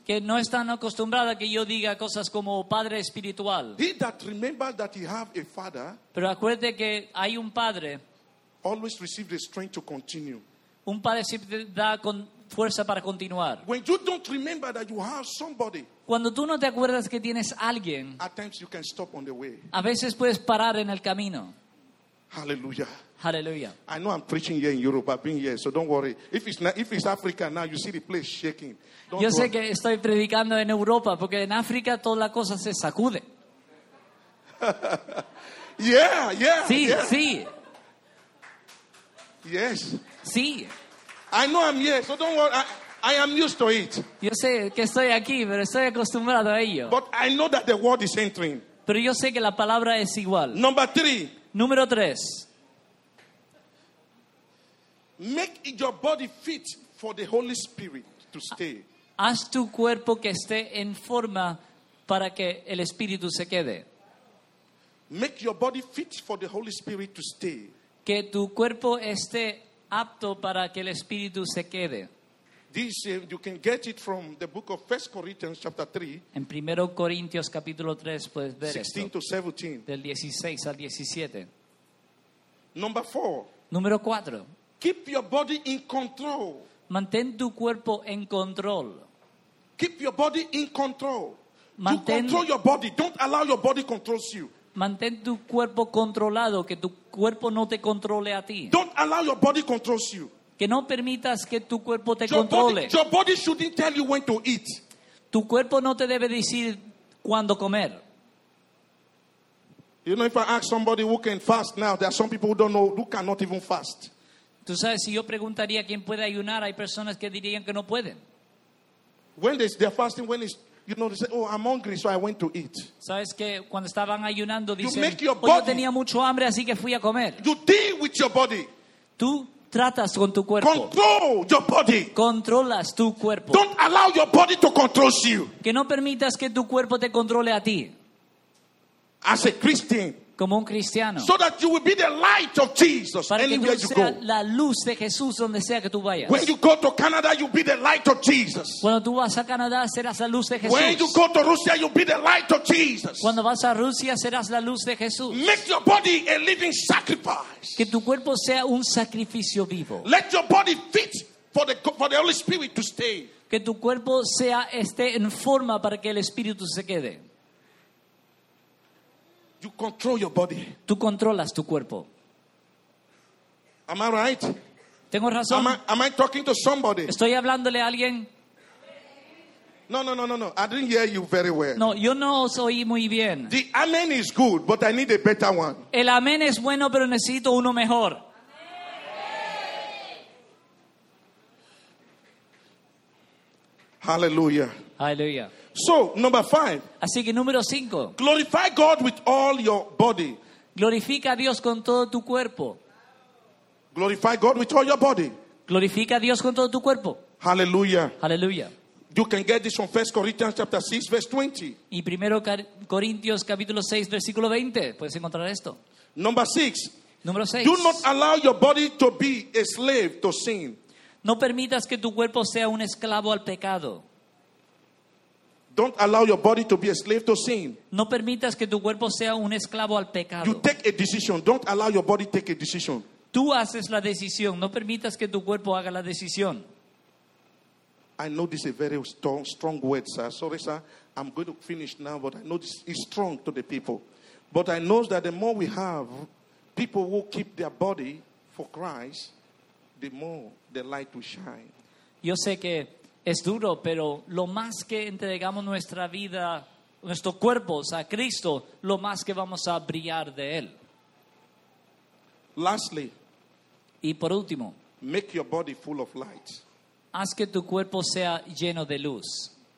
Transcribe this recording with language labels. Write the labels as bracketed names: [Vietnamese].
[Spanish] Que no están acostumbradas a que yo diga cosas como padre espiritual. [English] He that remembers that he have a father. [Spanish] Pero acuérdate que hay un padre. [English] Always receive the strength to continue. [Spanish] Un padre siempre da con fuerza para continuar. [English] When you don't remember that you have somebody, [Spanish] cuando tú no te acuerdas que tienes alguien, [English] at times you can stop on the way. [Spanish] A veces puedes parar en el camino. [English] Hallelujah. [Spanish] Hallelujah. [English] I know I'm preaching here in Europe. I've been here, so don't worry. If it's Africa now, you see the place shaking. Don't [Spanish] yo sé go. Que estoy predicando en Europa porque en África toda la cosa se sacude. [English] yeah. [Spanish] Sí, [English] yeah. [Spanish] Sí. [English] Yes. [Spanish] Sí. [English] I know I'm here, so don't worry. I am used to it. [Spanish] Yo sé que estoy aquí, pero estoy acostumbrado a ello. [English] But I know that the word is entering. [Spanish] Pero yo sé que la palabra es igual. [English] Number three. [Spanish] Número tres. [English] Make your body fit for the Holy Spirit to stay. [Spanish] Haz tu cuerpo que esté en forma para que el Espíritu se quede. [English] Make your body fit for the Holy Spirit to stay. [Spanish] Que tu cuerpo esté apto para que el Espíritu se quede. [English] This, you can get it from the book of 1 Corinthians chapter 3. [Spanish] En 1 Corintios capítulo 3 puedes ver [English] 16 [Spanish] esto. [English] 16 to 17. [Spanish] Del 16 al 17. [English] Number 4. [Spanish] Número 4. [English] Keep your body in control. [Spanish] Mantén tu cuerpo en control. [English] Keep your body in control. You control your body. Don't allow your body controls you. [Spanish] Mantén tu cuerpo controlado, que tu cuerpo no te controle a ti. [English] Don't allow your body controls you. [Spanish] Que no permitas que tu cuerpo te controle. [English] Your body shouldn't tell you when to eat. [Spanish] Tu cuerpo no te debe decir cuándo comer. [English] You know, if I ask somebody who can fast now, there are some people who don't know, who cannot even fast. [Spanish] Tú sabes, si yo preguntaría quién puede ayunar, hay personas que dirían que no pueden. [English] When they're fasting, when it's, you know, they say, oh, I'm hungry, so I went to eat. [Spanish] Sabes que cuando estaban ayunando, dicen, oh, yo tenía mucho hambre, así que fui a comer. [English] You deal with your body. [Spanish] Tú tratas con tu cuerpo. [English] Control your body. [Spanish] Controlas tu cuerpo. [English] Don't allow your body to control you. [Spanish] Que no permitas que tu cuerpo te controle a ti. [English] As a Christian. [Spanish] Como un cristiano. [English] So that you will be the light of Jesus [Spanish] para [English] anywhere [Spanish] que tú [English] you go. [Spanish] La luz de Jesús donde sea que tú vayas. [English] When you go to Canada, you'll be the light of Jesus. [Spanish] Cuando tú vas a Canadá, serás la luz de Jesús. [English] When you go to Russia, you'll be the light of Jesus. [Spanish] Cuando vas a Rusia, serás la luz de Jesús. [English] Make your body a living sacrifice. [Spanish] Que tu cuerpo sea un sacrificio vivo. [English] Let your body fit for the Holy Spirit to stay. [Spanish] Que tu cuerpo sea esté en forma para que el Espíritu se quede. [English] You control your body. [Spanish] Tú controlas tu cuerpo. [English] Am I right? [Spanish] Tengo razón. [English] Am I talking to somebody? [Spanish] Estoy hablándole a alguien. [English] No. I didn't hear you very well. [Spanish] No, yo no os oí muy bien. [English] The amen is good, but I need a better one. [Spanish] El amén es bueno, pero necesito uno mejor. [English] Hallelujah. [Spanish] Hallelujah. [English] So, number five. [Spanish] Así que número cinco. [English] Glorify God with all your body. [Spanish] Glorifica a Dios con todo tu cuerpo. [English] Glorify God with all your body. [Spanish] Glorifica a Dios con todo tu cuerpo. [English] Hallelujah. [Spanish] Hallelujah. [English] You can get this from 1 Corinthians chapter 6, verse 20. [Spanish] Y primero Corintios capítulo 6, versículo 20. Puedes encontrar esto. [English] Number six. [Spanish] Número seis. [English] Do not allow your body to be a slave to sin. [Spanish] No permitas que tu cuerpo sea un esclavo al pecado. [English] Don't allow your body to be a slave to sin. [Spanish] No permitas que tu cuerpo sea un esclavo al pecado. [English] You take a decision. Don't allow your body to take a decision. [Spanish] Tú haces la decisión. No permitas que tu cuerpo haga la decisión. [English] I know this is a very strong word, sir. Sorry, sir. I'm going to finish now, but I know this is strong to the people. But I know that the more we have people who keep their body for Christ, the more the light will shine. [Spanish] Yo sé que es duro, pero lo más que entregamos nuestra vida, nuestros cuerpos a Cristo, lo más que vamos a brillar de Él. [English] Lastly, [Spanish] y por último, [English] make your body full of light. [Spanish] Haz que tu cuerpo sea lleno de luz.